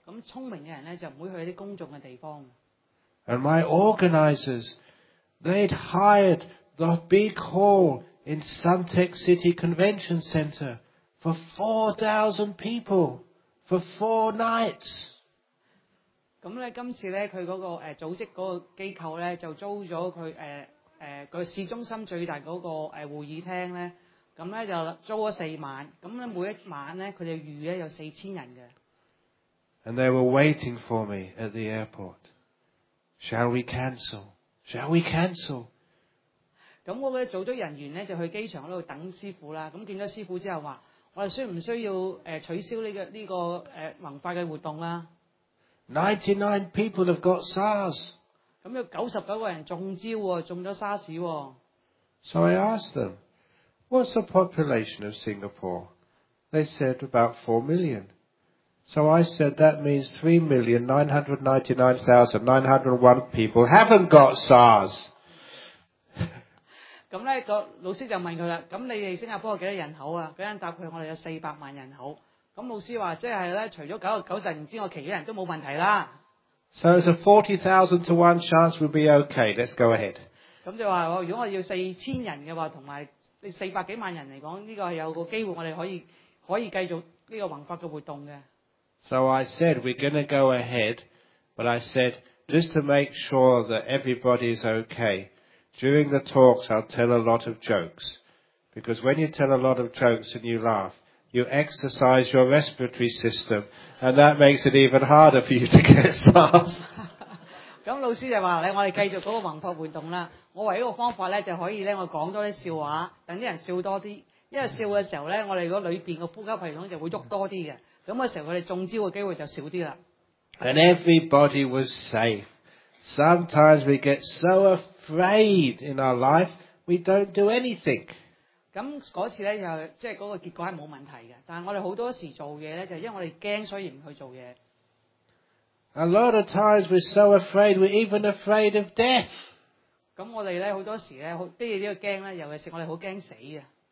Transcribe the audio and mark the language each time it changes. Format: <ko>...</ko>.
<yue>咁聰明嘅人咧就唔會去啲公眾嘅地方。</yue> <en>And my organisers, they'd hired the big hall in Suntec City Convention Center for 4,000 people for 4 nights.</en> <yue>咁咧，今次咧，佢嗰、那個組織嗰個機構咧，就租咗佢佢市中心最大嗰、那個會議廳咧，咁咧就租咗4晚，咁咧每一晚咧，佢哋預咧有4000人嘅。</yue> <en>And they were waiting for me at the airport. Shall we cancel? Shall we cancel?</en> <yue>咁我嘅組織人員咧就去機場嗰度等師傅啦。咁見咗師傅之後話：我哋需唔需要取消呢個宏法嘅活動啦？</yue> <en>99 people have got SARS.</en> <yue>咁有99个人中招喎，中咗沙士喎。</yue> <en>So I asked them, "What's the population of Singapore?" They said about 4 million. So I said that means 3,999,901 people haven't got SARS.</en> <yue>咁咧個老師就問佢啦，咁你哋新加坡有幾多人口啊？嗰人答佢：我哋有400万人口。咁老師話：即係咧，除咗99%之外，其他人都冇問題啦。</yue> <en>So it's a 40,000 to 1 chance we'll be okay. Let's go ahead.</en> <yue>咁就話：如果我要4000人嘅話，同埋你400几万人嚟講，呢個係有個機會，我哋可以繼續呢個宏法嘅活動嘅。</yue> <en>So I said we're going to go ahead, but I said just to make sure that everybody is okay. During the talks, I'll tell a lot of jokes, because when you tell a lot of jokes and you laugh. You exercise your respiratory system, and that makes it even harder for you to get SARS.</en> <yue>咁老師就話咧，我哋繼續嗰個宏法活動啦。我唯一個方法咧，就可以咧，我講多啲笑話，等啲人笑多啲。因為笑嘅時候咧，我哋個裏邊個呼吸系統就會喐多啲嘅。咁嘅時候，我哋中招嘅機會就少啲啦。</yue> <en>And everybody was safe. Sometimes we get so afraid in our life, we don't do anything.</en> <yue>咁嗰次咧就即係嗰個結果係冇問題嘅，但係我哋好多時做嘢咧，就因為我哋驚，所以唔去做嘢。</yue> <en>A lot of times we're so afraid, we're even afraid of death.</en> <yue>咁我哋咧好多時咧，啲嘢都要驚咧，尤其是我哋好驚死啊。</yue>